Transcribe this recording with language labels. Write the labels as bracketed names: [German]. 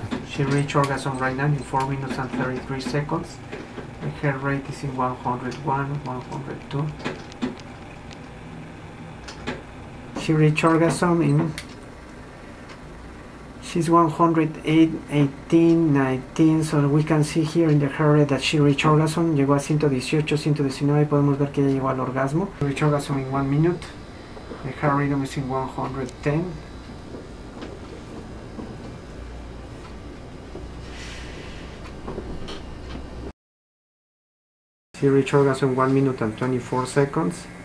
[English] She reached orgasm right now in 4 minutes and 33 seconds. The heart rate is in 101, 102. She reached orgasm in, she's 118, 19, so we can see here in the heart rate that she reached orgasm. [Spanish] Llegó a 118, 119, podemos ver que ella llegó al orgasmo. [English] She reached orgasm in 1 minute, the heart rhythm is in 110. She reached orgasm in 1 minute and 24 seconds.